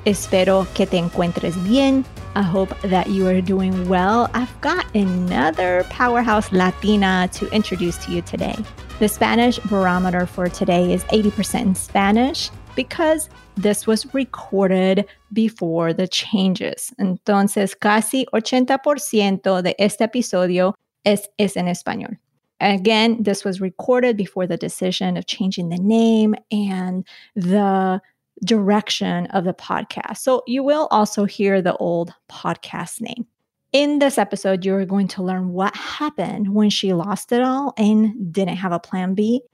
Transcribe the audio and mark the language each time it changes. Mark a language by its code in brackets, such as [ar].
[es] Espero que te encuentres bien. [en] I hope that you are doing well. I've got another powerhouse Latina to introduce to you today. The Spanish barometer for today is 80% in Spanish because this was recorded before the changes. [es] Entonces, casi 80% de este episodio es en español. [en] Again, this was recorded before the decision of changing the name and the direction of the podcast. So you will also hear the old podcast name. In this episode, you're going to learn what happened when she lost it all and didn't have a plan B.